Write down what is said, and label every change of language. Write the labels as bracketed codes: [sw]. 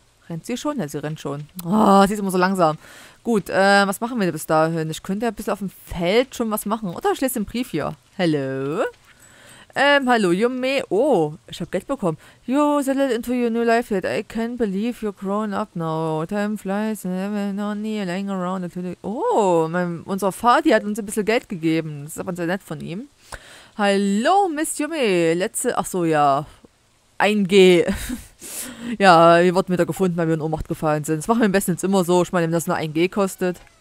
[de] Rennt sie schon? Ja, sie rennt schon. Oh, sie ist immer so langsam. Gut, was machen wir denn bis dahin? Ich könnte ja ein bisschen auf dem Feld schon was machen. Oder ich lese den Brief hier. Hallo? Hallo, Yume. Oh, ich habe Geld bekommen. [en] You settled into your new life yet. I can't believe you're grown up now. Time flies and no need laying around. [de] Natürlich. Oh, unser Vati hat uns ein bisschen Geld gegeben. Das ist aber sehr nett von ihm. Hallo, Miss Yumi. Letzte. Ach so, ja. 1G. Ja, wir wurden wieder gefunden, weil wir in Ohnmacht gefallen sind. Das machen wir am besten jetzt immer so. Ich meine, wenn das nur 1G kostet.